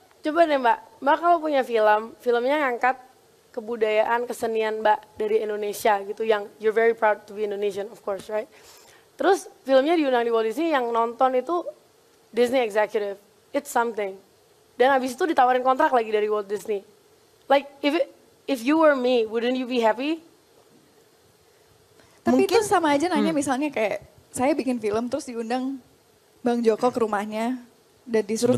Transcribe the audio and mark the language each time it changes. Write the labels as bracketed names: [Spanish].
[Indonesian] Coba deh Mbak, kalau punya filmnya ngangkat kebudayaan, kesenian Mbak dari Indonesia gitu, yang [English] you're very proud to be Indonesian of course, right? [Indonesian] Terus filmnya diundang di Walt Disney, yang nonton itu Disney executive, [English] it's something. [Indonesian] Dan abis itu ditawarin kontrak lagi dari Walt Disney. [English] Like if you were me, wouldn't you be happy? [Indonesian] Tapi mungkin itu sama aja nanya misalnya kayak saya bikin film terus diundang Bang Joko ke rumahnya dan disuruh